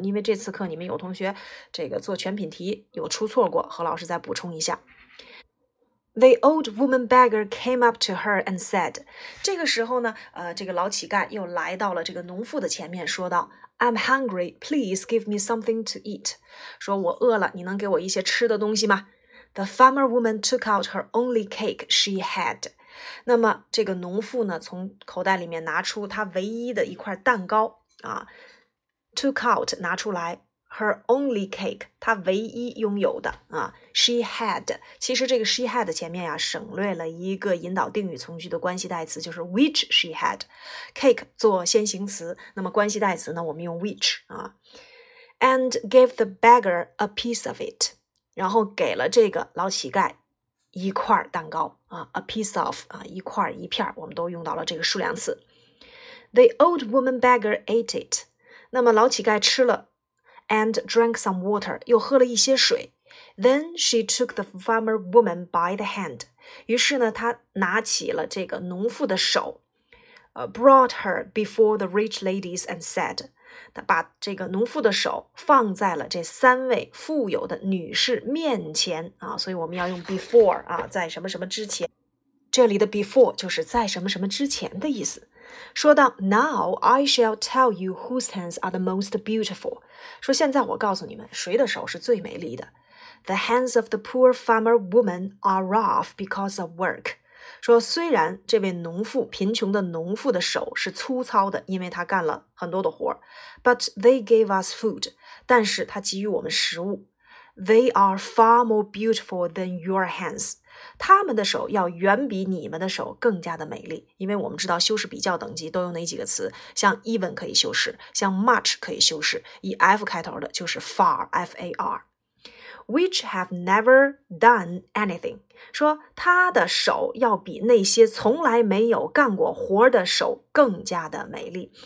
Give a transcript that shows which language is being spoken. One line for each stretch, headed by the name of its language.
Chinese: 因为这次课你们有同学这个做全品题有出错过，何老师再补充一下。
English: The old woman beggar came up to her and said，
Chinese: 这个时候呢，这个老乞丐又来到了这个农妇的前面，说道。
English: I'm hungry. Please give me something to eat.
Chinese: 说我饿了，你能给我一些吃的东西吗？
English: The farmer woman took out her only cake she had.
Chinese: 那么这个农妇呢，从口袋里面拿出她唯一的一块蛋糕啊，
English: took out
Chinese: 拿出来
English: her only cake，
Chinese: 她唯一拥有的啊，
English: she had。
Chinese: 其实这个 she had 前面呀，省略了一个引导定语从句的关系代词，就是 which she had。 cake 做先行词，那么关系代词呢，我们用 which 啊。
English: And gave the beggar a piece of it，
Chinese: 然后给了这个老乞丐一块蛋糕啊， a piece of 啊，一块一片，我们都用到了这个数量词。
English: The old woman beggar ate it，
Chinese: 那么老乞丐吃了。
English: And drank some water,
Chinese: 又喝了一些水。
English: Then she took the farmer woman by the hand.
Chinese: 于是呢，她拿起了这个农妇的手。
English: Brought her before the rich ladies and said,
Chinese: 她把这个农妇的手放在了这三位富有的女士面前啊。所以我们要用 before 啊，在什么什么之前。这里的 before 就是在什么什么之前的意思。说到
English: Now I shall tell you whose hands are the most beautiful.
Chinese: 说现在我告诉你们谁的手是最美丽的。
English: The hands of the poor farmer woman are rough because of work.
Chinese: 说虽然这位农妇，贫穷的农妇的手是粗糙的，因为她干了很多的活。
English: But they gave us food.
Chinese: 但是她给予我们食物。
English: They are far more beautiful than your hands.
Chinese: 他们的手要远比你们的手更加的美丽。因为我们知道修饰比较等级都用哪几个词，像 even 可以修饰，像 much 可以修饰，以 F 开头的就是 far, F-A-R。
English: Which have never done anything.
Chinese: 说他的手要比那些从来没有干过活的手更加的美丽。